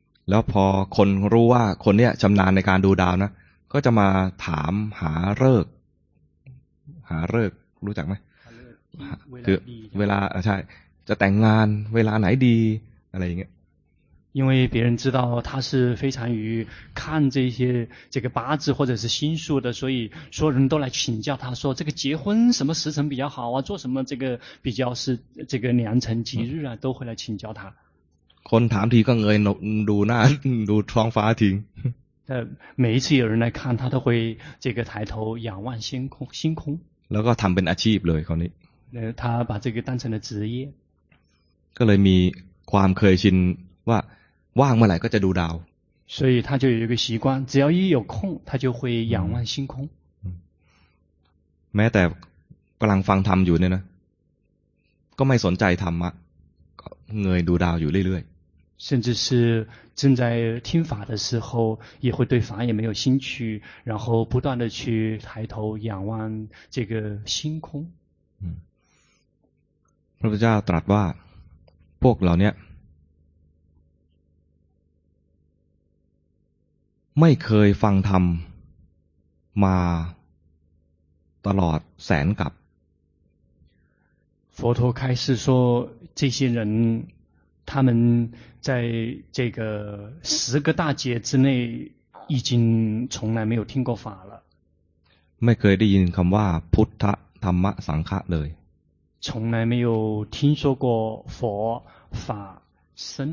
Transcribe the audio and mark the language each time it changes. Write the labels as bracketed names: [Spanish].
[Thai] แล้วพอคนรู้ว่าคนเนี้ยชำนาญในการดูดาวนะก็จะมาถามหาฤกษ์หาฤกษ์รู้จักไหม คือ เวลาใช่จะแต่งงานเวลาไหนดีอะไรอย่างเงี้ย [Chinese] 因为别人知道他是非常于看这些这个八字或者是星宿的，所以所有人都来请教他说这个结婚什么时辰比较好啊，做什么这个比较是这个良辰吉日啊，都会来请教他。 [Thai] คนถามทีก็เงยดูหน้าดูท้องฟ้าทิ้ง。 [Chinese] 每一次有人来看，他都会这个抬头仰望星空，星空。 [Thai] แล้วก็ทำเป็นอาชีพเลยคนนี้。 [Chinese] 他把这个当成了职业。 [Thai] ก็เลยมีความเคยชินว่าว่างเมื่อไหร่ก็จะดูดาว [Chinese] 所以他就有一个习惯只要一有空他就会仰望星空 [Thai] แม้แต่กำลังฟังธรรมอยู่เนี่ยนะก็ไม่สนใจธรรมะเงยดูดาวอยู่เรื่อย [Chinese] ๆ甚至是正在听法的时候也会对法也没有兴趣然后不断的去抬头仰望这个星空 [Thai] พระพุทธเจ้าตรัสว่าพวกเหล่านี้ไม่เคยฟังธรรมมาตลอดแสนกับ [Chinese] 佛陀开示说这些人他们在这个十个大劫之内已经从来没有听过法了 [Thai] ไม่เคยได้ยินคำว่าพุทธธรรมสังฆะเลย [Chinese] 从来没有听说过佛法僧